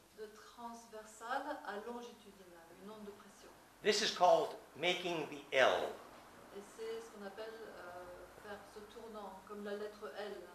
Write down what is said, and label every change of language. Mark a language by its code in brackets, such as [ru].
[fr] De transversale à longitudinal, une onde de pression. [en] This is called making the L. [fr] Et c'est ce qu'on appelle faire ce tournant, comme la lettre L.